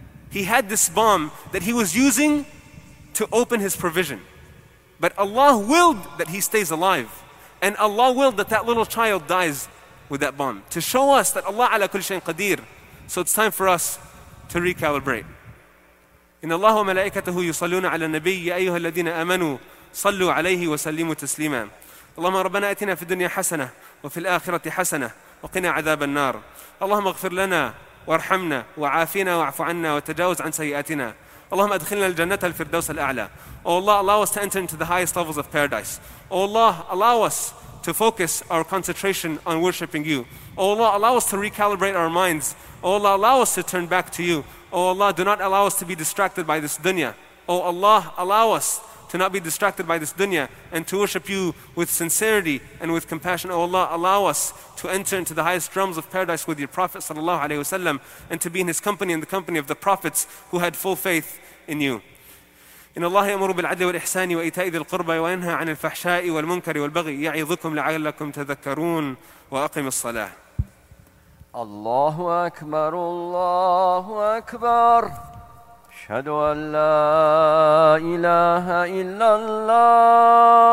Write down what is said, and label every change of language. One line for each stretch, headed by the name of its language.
English: He had this bomb that he was using to open his provision. But Allah willed that he stays alive. And Allah willed that that little child dies with that bomb. To show us that
Arabic: Allah ala kulli shayin qadir.
English: So it's time for us to recalibrate.
Arabic: إن الله وملائكته يصلون على النبي يا أيها الذين آمنوا صلوا عليه وسلموا تسليما. اللهم ربنا أتنا في الدنيا حسنة وفي الآخرة حسنة وقنا عذاب النار. اللهم اغفر لنا وارحمنا وعافينا واعف عنا وتجاوز عن سيئاتنا. اللهم ادخلنا الجنة الفردوس الأعلى.
English: Oh Allah, allow us to enter into the highest levels of paradise. Oh Allah, allow us to focus our concentration on worshiping you. Oh Allah, allow us to recalibrate our minds. Oh Allah, allow us to turn back to you. Oh Allah, do not allow us to be distracted by this dunya. Oh Allah, allow us to not be distracted by this dunya and to worship you with sincerity and with compassion. Oh Allah, allow us to enter into the highest realms of paradise with your Prophet sallallahu alaihi wasallam, and to be in his company and the company of the prophets who had full faith in you.
Arabic: إن الله يأمر بالعدل والإحسان وإيتاء ذي القربى وينهى عن الفحشاء والمنكر والبغي يعظكم لعلكم تذكرون وأقم الصلاة. الله أكبر الله أكبر أشهد أن لا إله إلا الله.